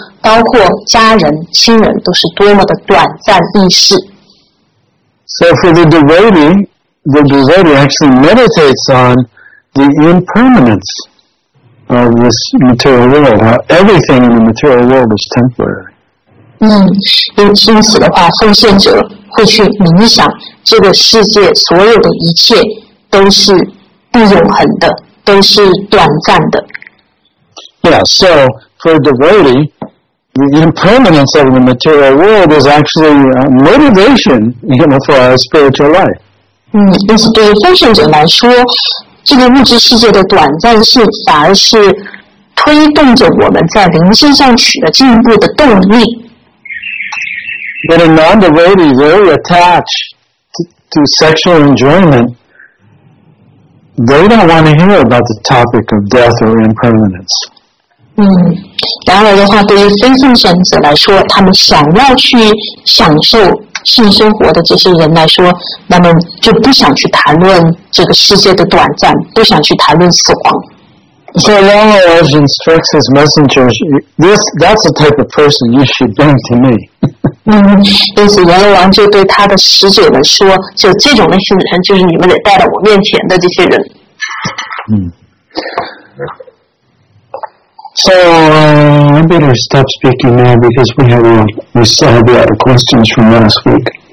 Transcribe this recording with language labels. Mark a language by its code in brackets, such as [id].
[zh] 包括家人、亲人都是多么的短暂易逝。 [en] So for the devotee actually meditates on the impermanence of this material world. Everything in the material world is temporary. [zh] 因此的话，奉献者会去冥想这个世界所有的一切都是不永恒的，都是短暂的。 [en] Yeah, so for devotee,the impermanence of the material world is actually a motivation, you know, for our spiritual life. [zh] 因此对奉献者来说，这个物质世界的短暂性反而是推动着我们在灵性上取得进步的动力。 [en] But a non-devotee very attached to sexual enjoyment, they don't want to hear about the topic of death or impermanence. [zh] 然而的话，对于非奉献者来说，他们想要去享受性生活的这些人来说，那么就不想去谈论这个世界的短暂，不想去谈论死亡。 [en] So long as he instructs his messengers, that's the type of person you should bring to me. [zh] 因此阎罗王就对他的使者们说，就这种类型的人，就是你们得带到我面前的这些人。 [en] So, I better stop speaking now because we still have a lot of questions from last week.